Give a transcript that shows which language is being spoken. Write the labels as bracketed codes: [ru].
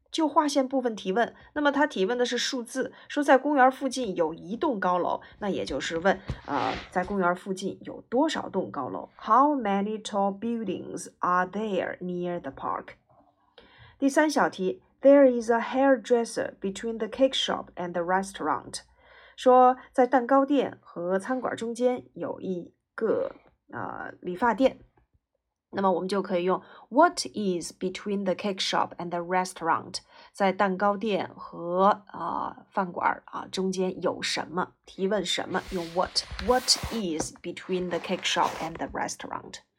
[zh] 就划线部分提问，那么他提问的是数字，说在公园附近有一栋高楼，那也就是问，在公园附近有多少栋高楼 ？ [en] How many tall buildings are there near the park? [zh] 第三小题 [en] ，There is a hairdresser between the cake shop and the restaurant. [zh] 说在蛋糕店和餐馆中间有一个理发店。那么我们就可以用 [en] What is between the cake shop and the restaurant? [zh] 在蛋糕店和饭馆中间有什么？提问什么？用 What? [en] What is between the cake shop and the restaurant?